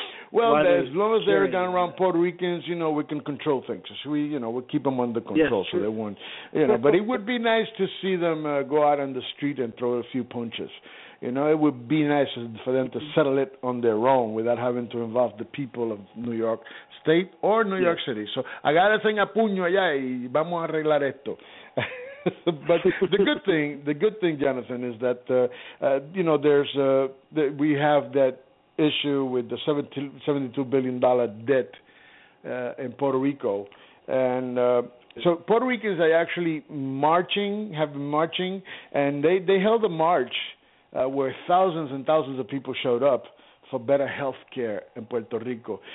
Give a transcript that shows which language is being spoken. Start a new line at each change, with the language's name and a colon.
English: Well, as long as they're going around Puerto Ricans, you know, we can control things. So we keep them under control, yes, sure. So they won't, you know. But it would be nice to see them go out on the street and throw a few punches. You know, it would be nice for them to settle it on their own without having to involve the people of New York State or New York City.
Spanish: So, agárrense a puño allá y vamos a arreglar esto.
English: But the good thing, Jonathan, is that, you know, there's we have that issue with the $72 billion debt in Puerto Rico. And so Puerto Ricans are actually marching, and they held a march where thousands and thousands of people showed up for better health care in Puerto Rico.